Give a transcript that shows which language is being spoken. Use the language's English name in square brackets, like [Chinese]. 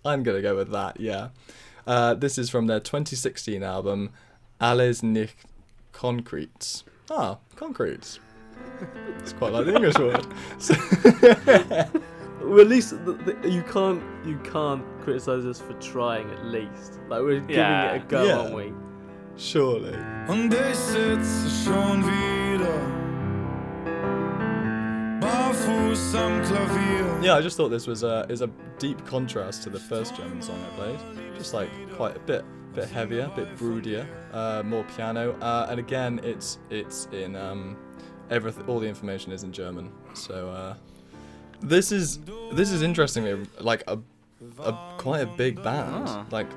[English] I'm going to go with that, yeah. This is from their 2016 album, Alles nicht Concretes. Ah, Concretes. It's quite like the English word. Well, at least you can't criticize us for trying, at least. We're giving it a go, aren't we? Surely. [German] Und ich sitze schon wieder barfuß am Klavier. [English] Yeah, I just thought this was a deep contrast to the first German song I played. Just quite a bit heavier, a bit broodier, more piano. And again, it's in all the information is in German. So This is interestingly a quite a big band. Oh.